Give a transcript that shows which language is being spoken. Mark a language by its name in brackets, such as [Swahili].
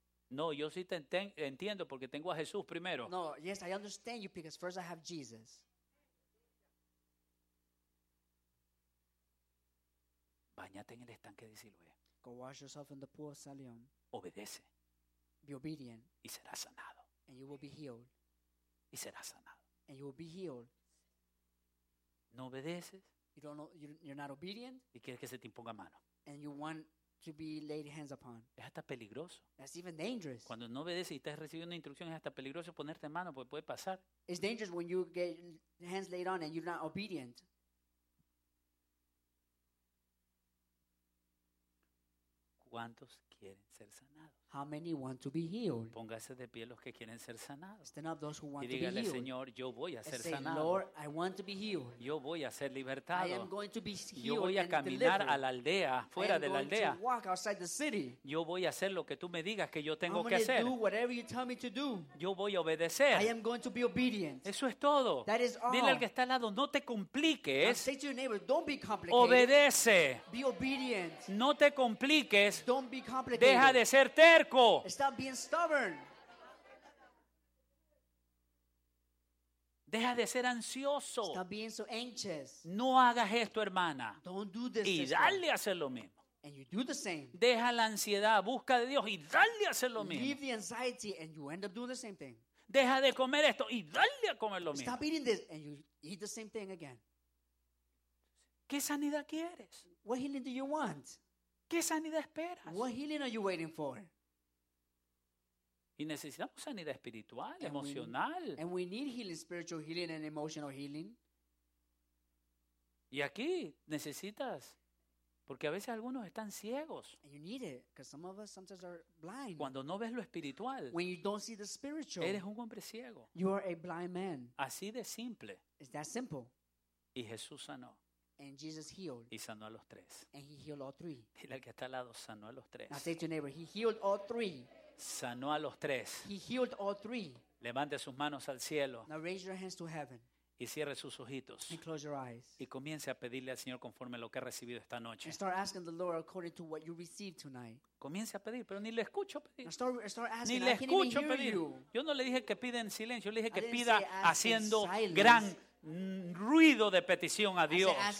[Spanish] No, yo sí te entiendo porque tengo a Jesús primero. [English] No, yes, I understand you because first I have Jesus. [Spanish] Báñate en el estanque de Siloé. [English] Go wash yourself in the pool of Siloam. [Spanish] Obedece. [English] Be obedient. [Spanish] Y serás sanado. [English] And you will be healed. [Spanish] Y serás sanado. [English] And you will be healed. [Spanish] No obedeces. [English] You don't know, you're not obedient. [Spanish] Y quieres que se te imponga mano. [English] And you want to be laid hands upon. [Spanish] Es hasta peligroso. [English] That's even dangerous. [Spanish] Cuando no obedeces y estás recibiendo instrucciones, es hasta peligroso ponerte mano porque puede pasar. [English] It's dangerous when you get hands laid on and you're not obedient. [Spanish] ¿Cuántos quieren ser sanados? [English] How many want to be healed? [Spanish] Póngase de pie los que quieren ser sanados. [English] Stand up those who want [Spanish] y dígale, [English] to be healed. [Spanish] Señor, yo voy a ser [English] say, [Spanish] sanado. [English] Lord, I want to be healed. [Spanish] Yo voy a ser libertado. [English] I am going to be healed. [Spanish] Yo voy a caminar [English] delivered. [Spanish] A la aldea, fuera de la aldea. [English] I am going to walk outside the city. [Spanish] Yo voy a hacer lo que tú me digas que yo tengo [English] I'm [Spanish] que hacer. [English] Do whatever you tell me to do. [Spanish] Yo voy a obedecer. [English] I am going to be obedient. [Spanish] Eso es todo. [English] That is all. [Spanish] Dile al que está al lado, no te compliques. [English] Say to your neighbor, don't be complicated. [Spanish] Obedece. [English] Be obedient. [Spanish] No te compliques. [English] Don't be complicated. [Spanish] Deja de ser terco. [English] Stop being stubborn. [Spanish] Deja de ser ansioso. [English] Stop being so anxious. [Spanish] No hagas esto, hermana. [English] Don't do this. [Spanish] Y dale a hacer lo mismo. [English] And you do the same. [Spanish] Deja la ansiedad, busca de Dios y dale a hacer lo mismo. [English] Leave the anxiety and you end up doing the same thing. [Spanish] Deja de comer esto y dale a comer lo mismo. [English] Stop eating this and you eat the same thing again. [Spanish] ¿Qué sanidad quieres? [English] What healing do you want? [Spanish] ¿Qué sanidad esperas? [English] What healing are you waiting for? [Spanish] Y necesitamos sanidad espiritual, emocional. [English] And we need healing, spiritual healing and emotional healing. [Spanish] Y aquí necesitas, porque a veces algunos están ciegos. [English] And you need it, because some of us sometimes are blind. [Spanish] Cuando no ves lo espiritual, [English] when you don't see the spiritual, [Spanish] eres un hombre ciego. [English] You are a blind man. [Spanish] Así de simple. [English] It's that simple. [Spanish] Y Jesús sanó. [English] And Jesus healed. [Spanish] Y sanó a los tres. [English] And he healed all three. [Spanish] Dile al que está al lado, sanó a los tres. [English] Now say to your neighbor, he healed all three. [Spanish] Sanó a los tres. [English] He healed all three. [Spanish] Levante sus manos al cielo. [English] Now raise your hands to heaven. [Spanish] Y cierre sus ojitos. [English] And close your eyes. [Spanish] Y comience a pedirle al Señor conforme lo que ha recibido esta noche. [English] And start asking the Lord according to what you received tonight. [Spanish] Comience a pedir, pero ni le escucho pedir. [English] Now start asking. [Spanish] Ni le escucho pedir. [English] You. [Spanish] Yo no le dije que pida en silencio. Yo le dije que pida haciendo gran ruido de petición a Dios.